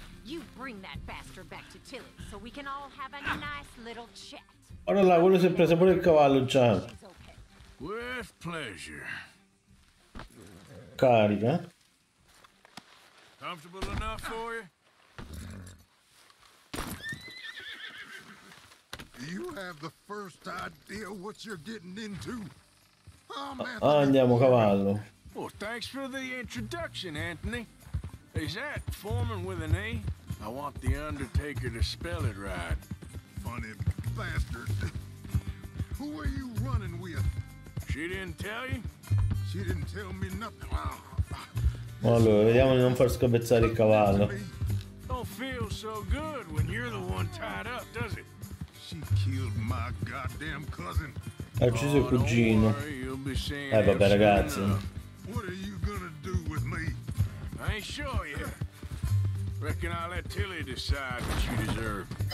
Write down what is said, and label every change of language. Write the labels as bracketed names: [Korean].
[English] You bring that bastard back to Tilly so we can all have a nice little chat. [Italian] Ora là, quello si è preso pure il cavallo già. [English] With pleasure. [Italian] Carica. [English] Comfortable enough for you? Do you have the first idea what you're getting into? [Italian] Andiamo cavallo. [English] Well, thanks for the introduction, Anthony. Is that Foreman with an A? I want the undertaker to spell it right. Funny bastard. Who are you running with? She didn't tell you? She didn't tell me nothing. [Italian] Allora, vediamo di non far scabezzare il cavallo. [English] Don't feel so good when you're the one tied up, does it? She killed my goddamn cousin. [Italian] Ha ucciso il cugino. Vabbè ragazzi. [English] What are you gonna do with me? I ain't sure yet. Reckon I'll let Tilly decide what you deserve.